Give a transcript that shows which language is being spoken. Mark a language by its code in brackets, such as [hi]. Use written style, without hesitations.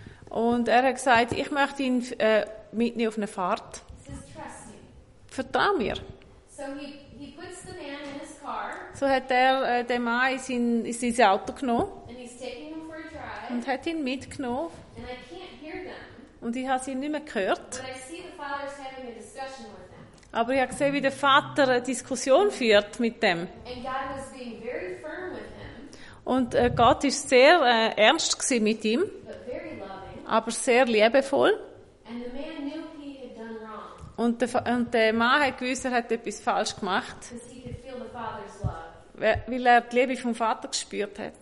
[de] Und er hat gesagt, ich möchte ihn mitnehmen auf eine Fahrt. Vertrau mir. [en] So, he puts the man in his car, [de] so hat er den Mann in sein Auto genommen. [en] And he's taking him for a drive, [de] und hat ihn mitgenommen. [en] And I can't hear them, [de] und ich habe sie nicht mehr gehört. [en] But I see the father's having a discussion with them. [de] Aber ich habe gesehen, wie der Vater eine Diskussion führt mit dem. [en] And God was being very firm with him. [de] Und Gott war sehr ernst mit ihm. [en] But very loving. [de] Aber sehr liebevoll. [en] And the man knew he had done wrong. [de] Und der Mann hat gewusst, er hat etwas falsch gemacht. [en] Because he could feel the father's love. [de] Weil er die Liebe vom Vater gespürt hat.